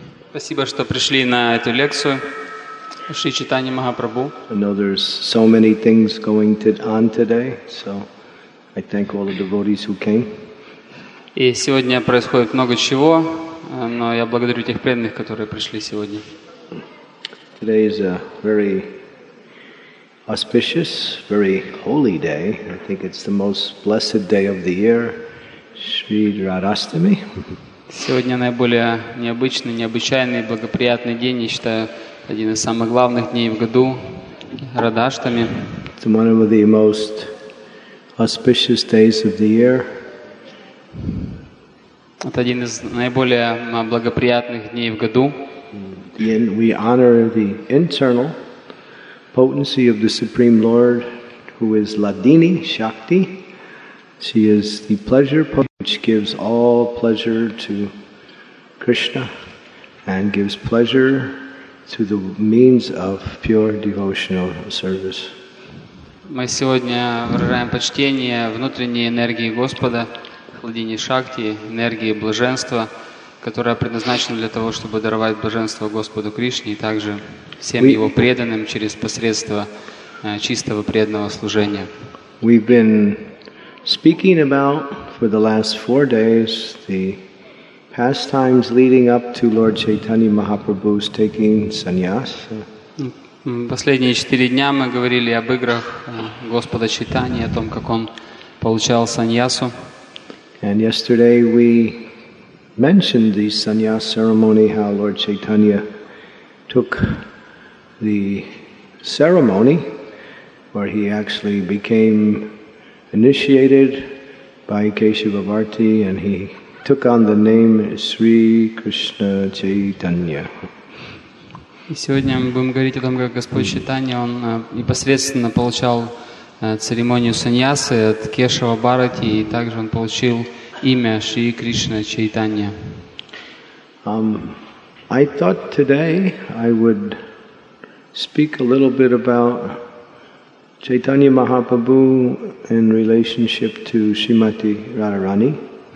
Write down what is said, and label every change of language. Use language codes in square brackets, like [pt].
[ru] Спасибо, что пришли на эту лекцию Шри Чайтанья Махапрабху. [en] I know there's so many things going on today, so I thank all the devotees who came. [ru] И сегодня происходит много чего, но я благодарю тех преданных, которые пришли сегодня. [en] Today is a very auspicious, very holy day. I think it's the most blessed day of the year. Shri Radhastami. [ru] Сегодня наиболее необычный, необычайный, благоприятный день, я считаю, один из самых главных дней в году Радхаштами. [en] It's one of the most auspicious days of the year. [ru] Это один из наиболее благоприятных дней в году. [en] And we honor the internal potency of the Supreme Lord, who is Ladini Shakti. She is the pleasure potency, which gives all pleasure to Krishna and gives pleasure through the means of pure devotional service. [ru] Мы сегодня выражаем почтение внутренней энергии Господа, Ладини Шакти, энергии блаженства, которая предназначена для того, чтобы даровать блаженство Господу Кришне и также всем Его преданным через посредство чистого преданного служения. [en] We've been speaking about for the last four days the pastimes leading up to Lord Chaitanya Mahaprabhu's taking sannyas. [ru] Последние четыре дня мы говорили об играх Господа Чайтаньи, о том, как Он получал саньясу. [en] And yesterday we mentioned the sannyas ceremony, how Lord Chaitanya took the ceremony where he actually became initiated by Keshava Bharti and he took on the name Sri Krishna Chaitanya. [ru] И сегодня мы будем говорить о том, как Господь Чайтанья, он непосредственно получал церемонию саньясы от Кешава Бхарати, и также он получил имя Шри Кришна Чайтанья. [en] I thought today I would speak a little bit about Chaitanya Mahaprabhu in relationship to Srimati Radharani.